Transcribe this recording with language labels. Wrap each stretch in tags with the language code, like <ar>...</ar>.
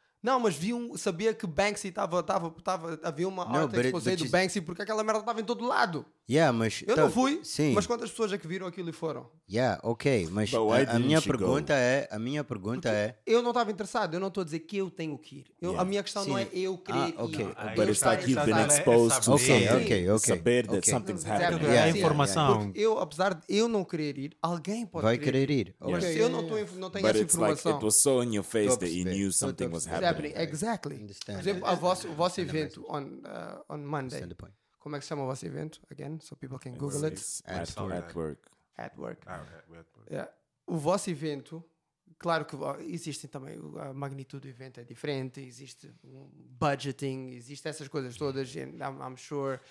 <pt>Não, mas sabia que Banksy tava, havia uma arte exposição do Banksy porque aquela merda estava em todo lado. Yeah, mas... Eu não fui, sim. Mas quantas pessoas é que viram aquilo e foram? Yeah, ok, mas a minha pergunta é... Eu não estava interessado, eu não estou a dizer que eu tenho que ir. A minha questão não é eu querer ir.</pt> <en>Okay. But it's like you've been exposed to saber that something's happening.</en> <pt>Yeah. A informação. Eu, apesar de eu não querer ir, alguém pode vai querer ir. Mas se eu não tenho essa informação...</pt> <en>But it's like it was so in your face that you knew something was happening.</en> <pt>Exactly. Por exemplo, o vosso evento</pt> <en>on Monday...</en> <pt>Como é que se chama o vosso evento?</pt> <en>Again, so people can Google it's it. At work. At work. Ah,</en> <pt>yeah. O vosso evento, claro que existem também, a magnitude do evento é diferente, existe um budgeting, existe essas coisas todas,</pt> <en>and I'm sure.</en>